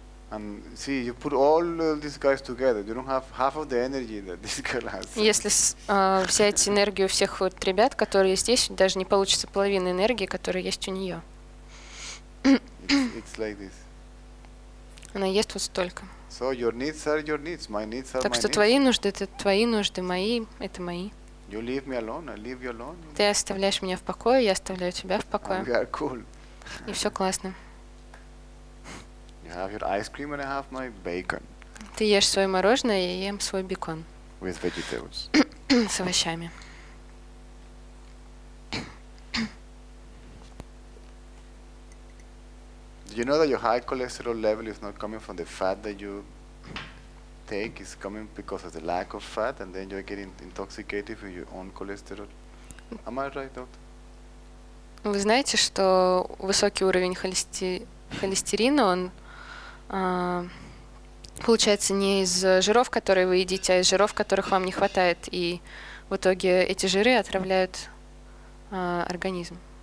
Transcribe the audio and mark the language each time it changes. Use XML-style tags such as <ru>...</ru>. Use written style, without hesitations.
<en>And see, you put all these guys together. You don't have half of the energy that this girl has.</en> <ru>Если взять энергию всех вот ребят, которые здесь, даже не получится половины энергии, которая есть у нее.</ru> <en>It's like this.</en> <ru>Она ест вот столько.</ru> <en>So your needs are your needs, my needs are</en> <ru>так</ru> <en>my</en> <ru>что</ru> <en>needs.</en> <ru>Твои нужды — это твои нужды, мои — это мои.</ru> <en>You leave me alone, I leave you alone.</en> <ru>Ты оставляешь меня в покое, я оставляю тебя в покое.</ru> <en>And we are cool.</en> <ru>И все классно.</ru> <en>You have your ice cream and I have my bacon.</en> <ru>Ты ешь свое мороженое, я ем свой бекон.</ru> <en>With vegetables.</en> <ru>С овощами.</ru> <en>You know that your high cholesterol level is not coming from the fat that you take, it's coming because of the lack of fat, and then you're getting intoxicated with your own cholesterol. Am I right, doctor?</en> <ru>Вы знаете, что высокий уровень холестерина, он получается не из жиров, которые вы едите, а из жиров, которых вам не хватает, и в итоге эти жиры отравляют организм.</ru>